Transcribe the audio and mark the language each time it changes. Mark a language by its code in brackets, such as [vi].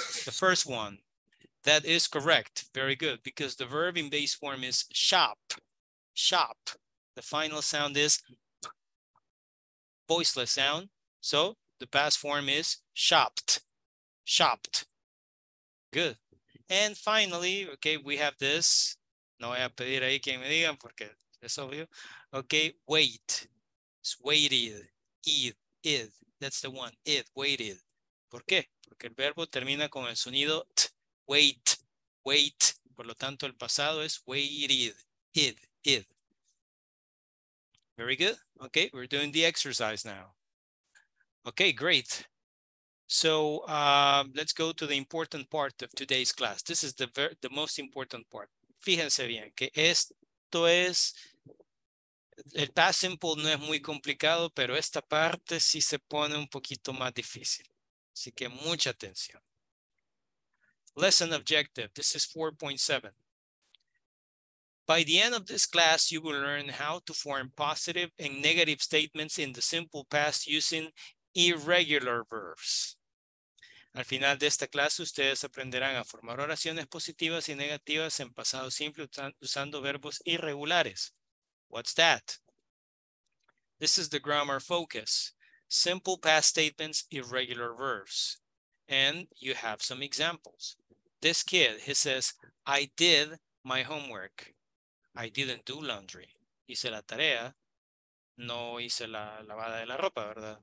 [en] The first one. That is correct. Very good. Because the verb in base form is shop. Shop. The final sound is voiceless sound, so the past form is shopped, shopped. Good. And finally, okay, we have this. [es] No voy a pedir ahí que me digan porque es obvio. [en] Okay, wait. It's waited. Id. That's the one. It waited. [es] ¿Por qué? Porque el verbo termina con el sonido t. [en] Wait. Wait. [es] Por lo tanto, el pasado es waited. Id. [en] Very good. Okay, we're doing the exercise now. Okay, great. So let's go to the important part of today's class. This is the most important part. [es] Fíjense bien que esto es, el past simple no es muy complicado, pero esta parte sí se pone un poquito más difícil. Así que mucha atención. [en] Lesson objective, this is 4.7. By the end of this class, you will learn how to form positive and negative statements in the simple past using irregular verbs. [es] Al final de esta clase, ustedes aprenderán a formar oraciones positivas y negativas en pasado simple usando verbos irregulares. [en] What's that? This is the grammar focus. Simple past statements, irregular verbs. And you have some examples. This kid, he says, I did my homework. I didn't do laundry. [es] Hice la tarea. No hice la lavada de la ropa, ¿verdad?